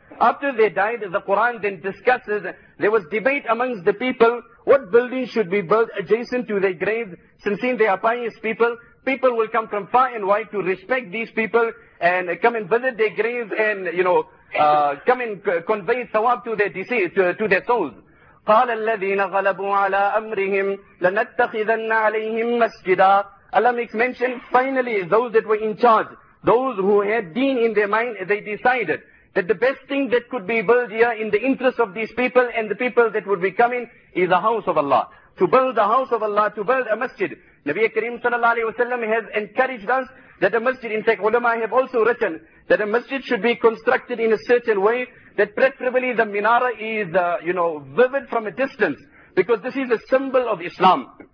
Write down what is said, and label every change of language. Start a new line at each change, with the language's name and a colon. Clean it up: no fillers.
English: After they died, the Quran then discusses, there was debate amongst the people, what building should be built adjacent to their graves, since they are pious people. People will come from far and wide to respect these people and come and visit their graves and, you know, come and convey thawab to their deceased, to their souls.
Arabic: قال الذين غلبوا على أمرهم لنتخذن عليهم مسجدا.
English: Allah makes mention, finally, those that were in charge, those who had deen in their mind, they decided that the best thing that could be built here in the interest of these people and the people that would be coming is a house of Allah. To build a house of Allah, to build a masjid. Nabi Kareem sallallahu alayhi wa sallam has encouraged us that a masjid, in fact, ulama have also written that a masjid should be constructed in a certain way, that preferably the minara is, you know, vivid from a distance, because this is a symbol of Islam.